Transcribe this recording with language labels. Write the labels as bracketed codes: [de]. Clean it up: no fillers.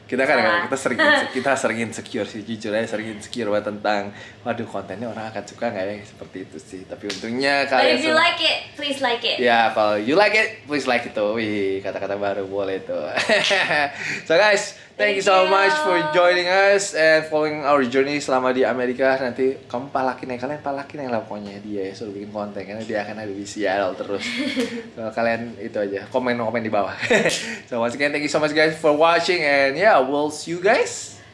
[id] Kita sering insecure sih, jujur aja sering insecure banget tentang waduh kontennya orang akan suka enggak ya seperti itu sih. Tapi untungnya kalau [en] if you like it, please like it. Ya, yeah, kalau you like it, please like it tuh. [id] Wih, kata-kata baru boleh tuh. [en] So guys, thank you so much for joining us and following our journey selama di Amerika. [id] Nanti kamu palakin ya, kalian palakin yang lah pokoknya dia ya, suruh bikin konten karena dia akan ada di Seattle terus. [en] So, kalian itu aja, komen-komen di bawah. So once again, thank you so much guys for watching and yeah, we'll see you guys.